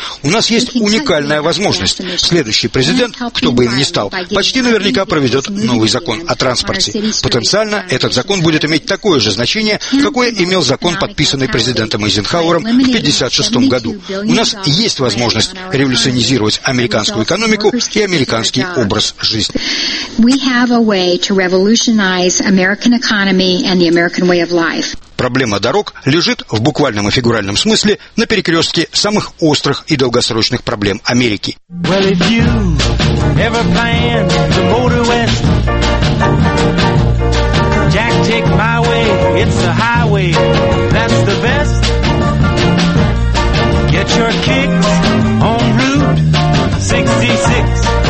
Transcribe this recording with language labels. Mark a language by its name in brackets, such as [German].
[Russian] У нас есть уникальная возможность. Следующий президент, кто бы им ни стал, почти наверняка проведет новый закон о транспорте. Потенциально этот закон будет иметь такое же значение, какое имел закон, подписанный президентом Эйзенхауэром в 1956 году. У нас есть возможность революционизировать американскую экономику и американский образ жизни. [English] We have a way to revolutionize American economy and the American way of life. [Russian] Проблема дорог лежит в буквальном и фигуральном смысле на перекрестке самых острых и долгосрочных проблем Америки. [English] Well, if you ever plan to motor west, Jack, take my way, it's the highway, that's the best. Get your kicks on Route 66.